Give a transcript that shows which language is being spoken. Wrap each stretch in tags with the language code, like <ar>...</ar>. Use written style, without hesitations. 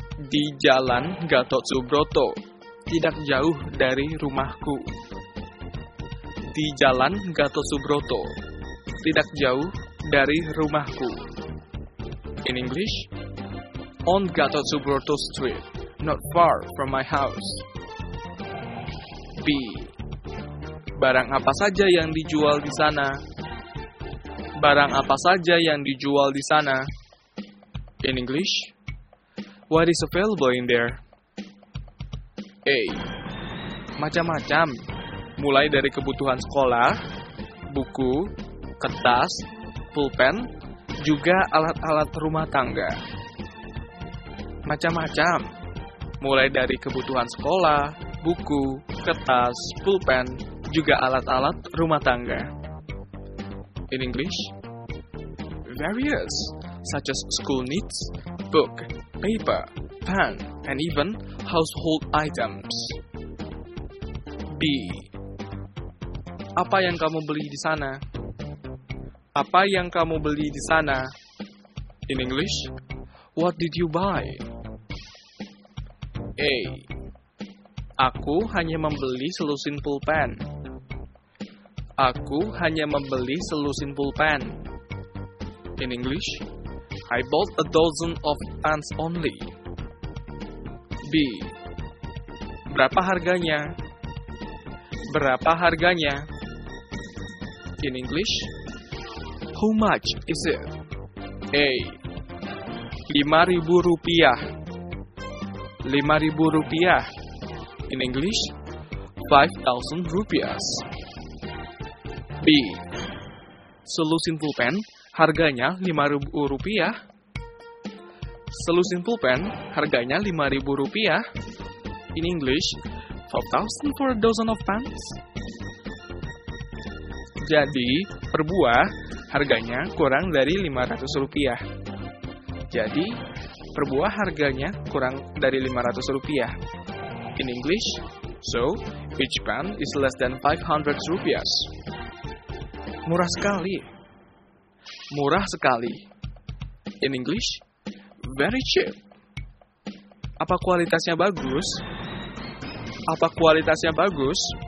<id>Di Jalan Gatot Subroto, tidak jauh dari rumahku. Di Jalan Gatot Subroto, tidak jauh dari rumahku.</id> <en>In English, on Gatot Subroto Street, not far from my house. B.</en> <id>Barang apa saja yang dijual di sana? Barang apa saja yang dijual di sana?</id> <en>In English, what is available in there? A.</en> <id>Macam-macam, mulai dari kebutuhan sekolah, buku, kertas, pulpen, juga alat-alat rumah tangga. Macam-macam, mulai dari kebutuhan sekolah, buku, kertas, pulpen, juga alat-alat rumah tangga.</id> <en>In English, various, such as school needs, book, paper, pen, and even household items. B.</en> <id>Apa yang kamu beli di sana? Apa yang kamu beli di sana?</id> <en>In English, what did you buy?</en> <id>A. Aku hanya membeli selusin pulpen. Aku hanya membeli selusin pulpen.</id> <en>In English, I bought a dozen of pens only. B.</en> <id>Berapa harganya? Berapa harganya?</id> <en>In English, how much is it?</en> <id>A. 5,000 rupiah. 5,000 rupiah.</id> <en>In English, 5,000 rupiahs. B.</en> <id>Selusin pulpen harganya 5,000 rupiah. Selusin pulpen harganya 5,000 rupiah. In English, 5,000 for a dozen of pens. Jadi, per buah harganya kurang dari 500 rupiah. Jadi, per buah harganya kurang dari 500 rupiah.</id> <en>In English, so, each pan is less than 500 rupiah.</en> <id>Murah sekali. Murah sekali.</id> <en>In English, very cheap.</en> <id>Apa kualitasnya bagus? Apa kualitasnya bagus?</id>